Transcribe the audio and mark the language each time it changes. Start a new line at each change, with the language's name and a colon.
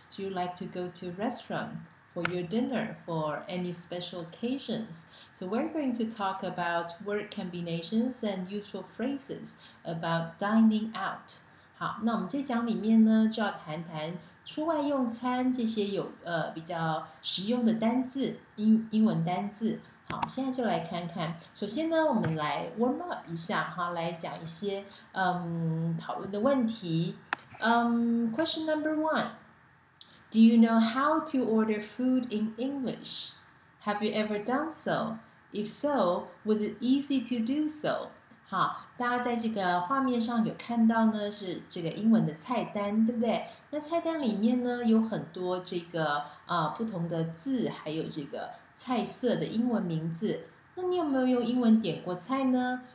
English: Do you like to go to a restaurant for your dinner for any special occasions? So we're going to talk about word combinations and useful phrases about dining out.
Chinese: 好，那我们这讲里面呢就要谈谈出外用餐这些有比较实用的单字，英文单字。好，我们现在就来看看。首先呢，我们来
English: warm up
Chinese: 一下哈，来讲一些讨论的问题。
English: Question number one. Do you know how to order food in English? Have you ever done so? If so, was it easy to do so?
Chinese: 好，大家在这个画面上有看到呢，是这个英文的菜单，对不对？那菜单里面呢，有很多这个不同的字，还有这个菜色的英文名字。那你有没有用英文点过菜呢？